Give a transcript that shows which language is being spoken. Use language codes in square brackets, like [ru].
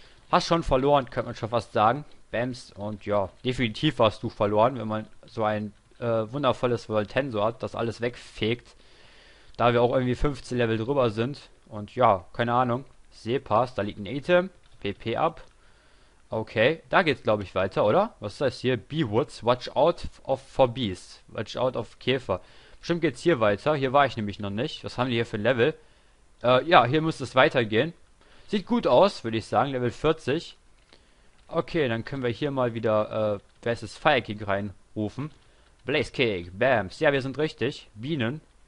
[de] Hast schon verloren, könnte man schon fast sagen. Bams, und ja, definitiv hast du verloren, wenn man so ein wundervolles Voltensor hat, das alles wegfegt. Da wir auch irgendwie 15 Level drüber sind. Und ja, keine Ahnung. Seepass, da liegt ein Item. PP ab. Okay, da geht's glaube ich weiter, oder? Was ist das hier? [en] Bee Woods, watch out for bees. Watch out of Käfer. [de] Bestimmt geht's hier weiter. Hier war ich nämlich noch nicht. Was haben die hier für ein Level? Ja, hier muss es weitergehen. Sieht gut aus, würde ich sagen. Level 40. Okay, dann können wir hier mal wieder, wer ist es? Fire Kick reinrufen. Blaze Kick, Bams. Ja, wir sind richtig. Bienen.